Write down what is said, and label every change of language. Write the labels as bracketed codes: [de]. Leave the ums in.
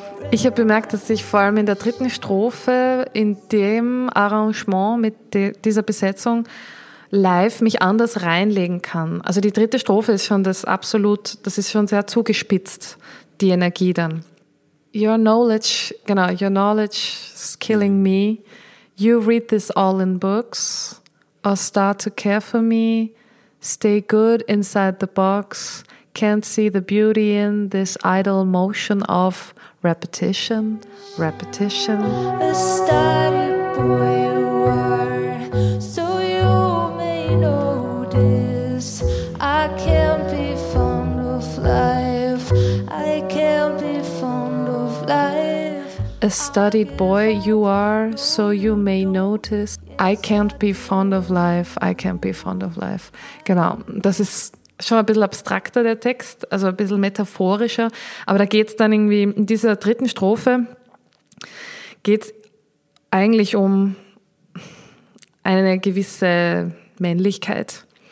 [de] Ich habe bemerkt, dass ich vor allem in der dritten Strophe in dem Arrangement mit de dieser Besetzung live mich anders reinlegen kann. Also die dritte Strophe ist schon das absolut, das ist schon sehr zugespitzt, die Energie dann. [en] Your knowledge, genau, your knowledge is killing me. You read this all in books or start to care for me. Stay good inside the box. Can't see the beauty in this idle motion of repetition, repetition. A started boy you are, so you may know this. I can't be fond of life. I can't be fond of life. A studied boy you are, so you may notice. I can't be fond of life, I can't be fond of life. [de] Genau, das ist schon ein bisschen abstrakter, der Text, also ein bisschen metaphorischer. Aber da geht's dann irgendwie in dieser dritten Strophe, geht's eigentlich um eine gewisse Männlichkeit.